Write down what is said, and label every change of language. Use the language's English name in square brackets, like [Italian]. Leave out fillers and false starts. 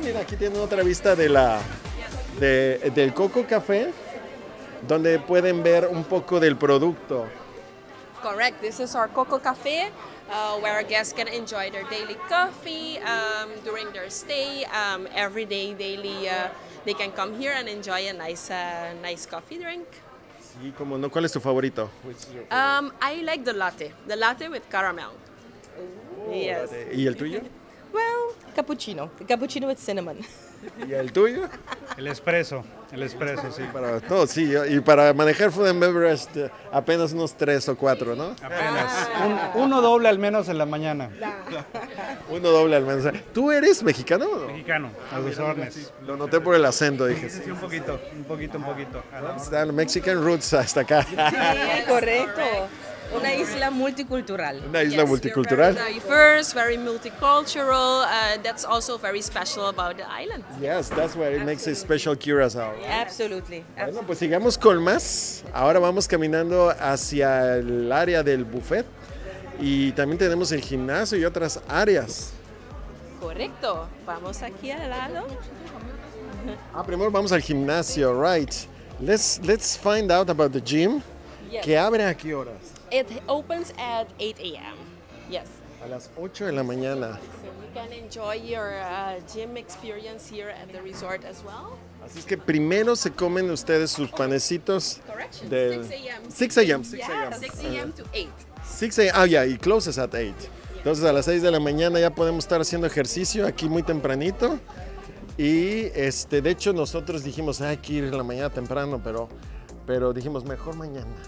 [Spanish] Mira, aquí tienen otra vista de la del Coco Café, donde pueden ver un poco del producto. [English] Correct. This is our Coco Café, where our guests can enjoy their daily coffee during their stay. Every day, daily. They can come here and enjoy a nice coffee drink. [Spanish] Sí, como no. ¿Cuál es tu favorito? [English] I like the latte with caramel. Oh, yes. [Spanish] Latte. ¿Y el tuyo? [English] Well, cappuccino. Cappuccino with cinnamon. [Spanish] ¿Y el tuyo? El espresso, sí. Para todo, sí. Y para manejar [English] food and beverage, [Spanish] apenas unos 3 o 4, ¿no? Apenas. Uno doble al menos en la mañana. Uno doble al menos. ¿Tú eres mexicano o no? Mexicano, a sus órdenes. Lo noté por el acento, dije. Sí, un poquito. Están [English] Mexican roots [Spanish] hasta acá. Sí, correcto. Una isla multicultural. Una isla multicultural. [English] Very diverse, very multicultural. That's also very special about the island. Yes, that's where it makes it special Curacao. Right? Absolutely. [Spanish] Bueno, pues sigamos con más. Ahora vamos caminando hacia el área del buffet. Y también tenemos el gimnasio y otras áreas. Correcto. Vamos aquí al lado. Ah, primero vamos al gimnasio, [English] right. Let's find out about the gym. Yes. [Spanish] ¿Qué abre a qué horas? [English] It opens at 8 a.m. Yes. [Spanish] A las 8 de la mañana. [English] So you can enjoy your gym experience here at the resort as well. [Spanish] Así es que primero se comen ustedes sus panecitos. [English] Correction, [Spanish] del [English] 6 a.m. 6 a.m. 6 a.m. Yeah. 8. 6 a.m. Ah, yeah, it closes at 8. Yeah. [Spanish] Entonces a las 6 de la mañana ya podemos estar haciendo ejercicio aquí muy tempranito. Y de hecho nosotros dijimos, hay que ir en la mañana temprano, pero dijimos mejor mañana.